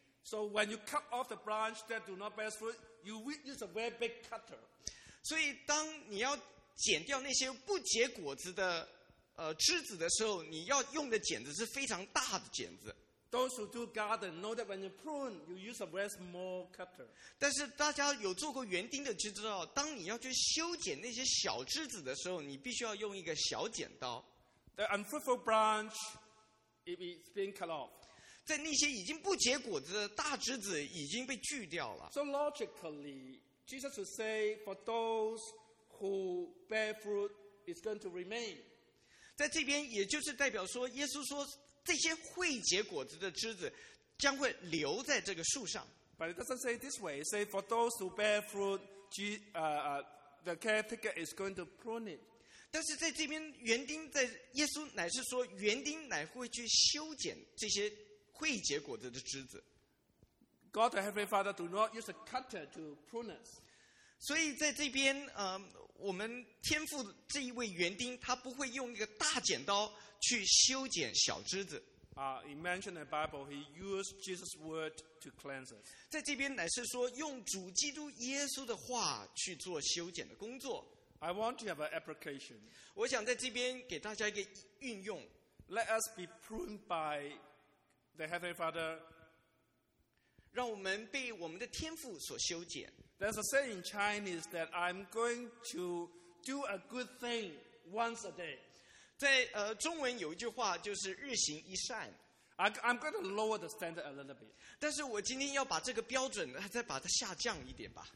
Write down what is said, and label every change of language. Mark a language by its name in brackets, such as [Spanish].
[English] So when you cut off the branch that do not bear fruit, you will use a very big cutter. [Chinese] 所以当你要剪掉那些不结果子的枝子的时候，你要用的剪子是非常大的剪子。 [English] Those who do garden know that when you prune, you use a very small cutter. [Chinese] 但是大家有做过园丁的就知道，当你要去修剪那些小枝子的时候，你必须要用一个小剪刀。 [English] The unfruitful branch, if it's been cut off, [Chinese] 在那些已经不结果子的大枝子已经被锯掉了。 [English] So logically, Jesus would say, for those who bear fruit, it's going to remain. [Chinese] 在这边也就是代表说，耶稣说这些会结果子的枝子将会留在这个树上。 [English] But it doesn't say this way. It says for those who bear fruit, the caretaker is going to prune it. [Chinese] 但是在这边，园丁在耶稣乃是说，园丁乃会去修剪这些会结果子的枝子。 [English] God the Heavenly Father do not use a cutter to prune us. [Chinese] 所以在这边，我们天父这一位园丁，他不会用一个大剪刀去修剪小枝子。 [English] He mentioned in the Bible, he used Jesus' word to cleanse us. [Chinese] 在这边乃是说用主基督耶稣的话去做修剪的工作。 [English] I want to have an application. [Chinese] 我想在这边给大家一个运用。 [English] Let us be pruned by the Heavenly Father. [Chinese] 让我们被我们的天父所修剪。 [English] There's a saying in Chinese that I'm going to do a good thing once a day. [Chinese] 在中文有一句话就是日行一善。 [English] I'm going to lower the standard a little bit. [Chinese] 但是我今天要把这个标准再把它下降一点吧。